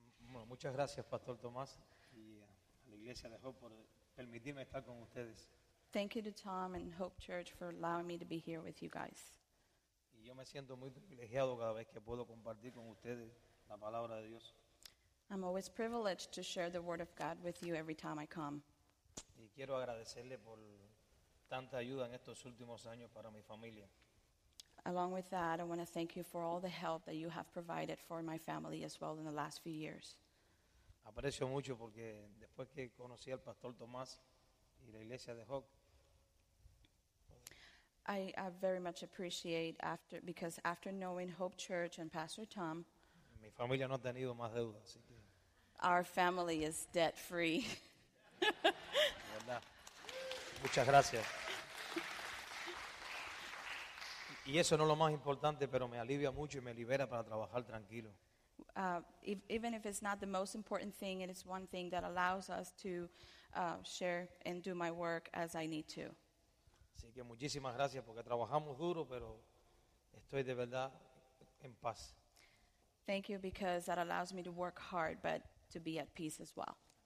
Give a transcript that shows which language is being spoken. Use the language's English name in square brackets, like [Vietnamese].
[Spanish] Bueno, muchas gracias, Pastor Tomás, y a la iglesia de Hope por permitirme estar con ustedes. [English] Thank you to Tom and Hope Church for allowing me to be here with you guys. [Spanish] Y yo me siento muy privilegiado cada vez que puedo compartir con ustedes la palabra de Dios. [English] I'm always privileged to share the word of God with you every time I come. [Spanish] Y quiero agradecerle por tanta ayuda en estos últimos años para mi familia. [English] Along with that, I want to thank you for all the help that you have provided for my family as well in the last few years. [Spanish] Aprecio mucho porque después que conocí al Pastor Tomás y la iglesia de Hope. [English] I very much appreciate after because after knowing Hope Church and Pastor Tom, [Spanish] mi familia no ha tenido más deudas, así que [English] our family is debt free. [Spanish] Muchas gracias. Y eso no es lo más importante, pero me alivia mucho y me libera para trabajar tranquilo. [English] Even if it's not the most important thing, it is one thing that allows us to share and do my work as I need to. [Spanish] Así que muchísimas gracias porque trabajamos duro, pero estoy de verdad en paz. [English] Thank you because that allows me to work hard, but to be at peace as well.